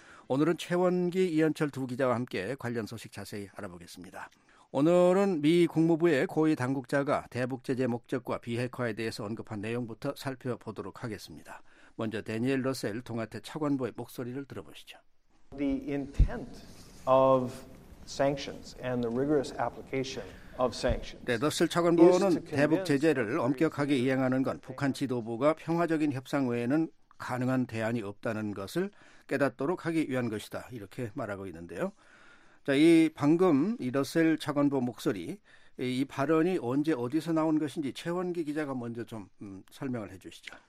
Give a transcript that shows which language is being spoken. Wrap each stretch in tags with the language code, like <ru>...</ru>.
<ko>오늘은 최원기, 이현철 두 기자와 함께 관련 소식 자세히 알아보겠습니다. 오늘은 미 국무부의 고위 당국자가 대북 제재 목적과 비핵화에 대해서 언급한 내용부터 살펴보도록 하겠습니다. 먼저 대니엘 러셀 동아태 차관보의 목소리를 들어보시죠.</ko> <en>The intent of sanctions and the rigorous application of sanctions.</en> <ko>네, 러셀 차관보는 대북 제재를 엄격하게 이행하는 건 북한 지도부가 평화적인 협상 외에는 가능한 대안이 없다는 것을 깨닫도록 하기 위한 것이다, 이렇게 말하고 있는데요. 자, 이 방금 이 러셀 차관보 목소리, 이 발언이 언제 어디서 나온 것인지 최원기 기자가 먼저 좀 설명을 해 주시죠.</ko>